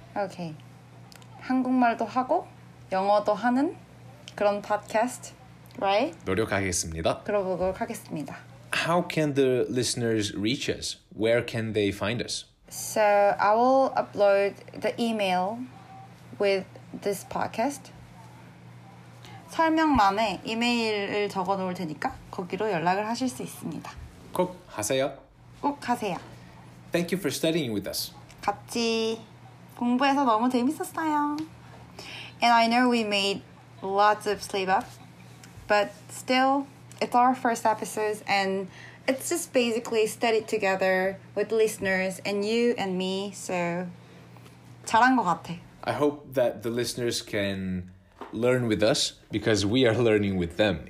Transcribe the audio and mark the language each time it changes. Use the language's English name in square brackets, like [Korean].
[Korean] Okay. 한국말도 하고 영어도 하는 그런 podcast, right? 노력하겠습니다. 그러도록 하겠습니다. [English] How can the listeners reach us? Where can they find us? So I will upload the email with this podcast. [Korean] 설명란에 이메일을 적어 놓을 테니까 거기로 연락을 하실 수 있습니다. 꼭 하세요. 꼭 하세요. [English] Thank you for studying with us. [Korean] 같이 공부해서 너무 재밌었어요. [English] And I know we made lots of slip up, but still, it's our first episodes, and it's just basically studied together with listeners and you and me, so 잘한 것 같아. I hope that the listeners can learn with us, because we are learning with them.